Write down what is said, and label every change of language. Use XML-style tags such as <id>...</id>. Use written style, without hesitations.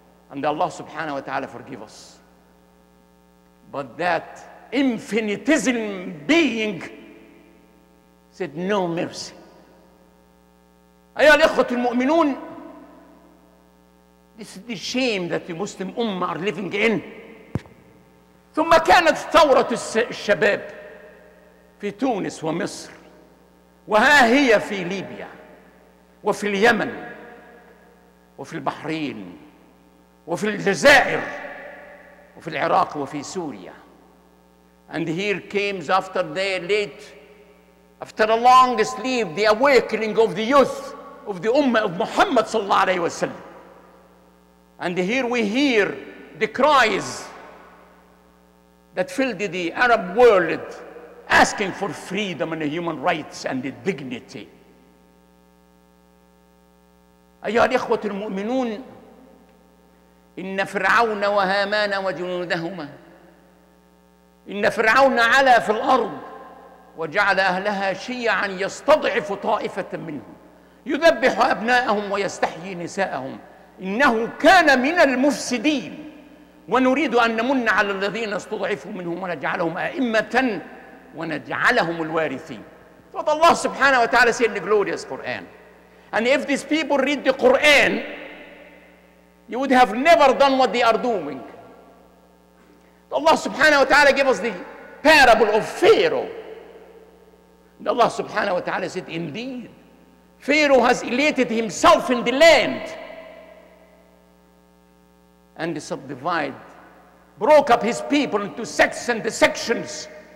<en>And Allah subhanahu wa ta'ala forgive us. But that infinitism being said no mercy.</en> <ar>أيها الإخوة المؤمنون،</ar> <en>this is the shame that the Muslim Ummah are living in.</en> <ar>ثم كانت ثورة الشباب في تونس ومصر، وها هي في ليبيا وفي اليمن وفي البحرين وفي الجزائر وفي العراق وفي سوريا.</ar> <en>And here comes after day late, after a long sleep, the awakening of the youth of the Ummah of Muhammad sallallahu alayhi wa sallam. And here we hear the cries that filled the Arab world asking for freedom and human rights and the dignity.</en> <ar>أيها الإخوة المؤمنون، إن فرعون وهامان وجنودهما، إن فرعون علا في الأرض وجعل أهلها شيعا يستضعف طائفة منهم يذبح أبناءهم ويستحيي نساءهم إنه كان من المفسدين. ونريد أن نمن على الذين استضعفوا منهم ونجعلهم أئمة ونجعلهم الوارثين.</ar> <en>But Allah subhanahu wa ta'ala said in the glorious Quran. And if these people read the Quran, you would have never done what they are doing. Allah subhanahu wa ta'ala gave us the parable of Pharaoh. And Allah subhanahu wa ta'ala said, indeed, Pharaoh has elated himself in the land and subdivided, broke up his people into sects and sections.</en>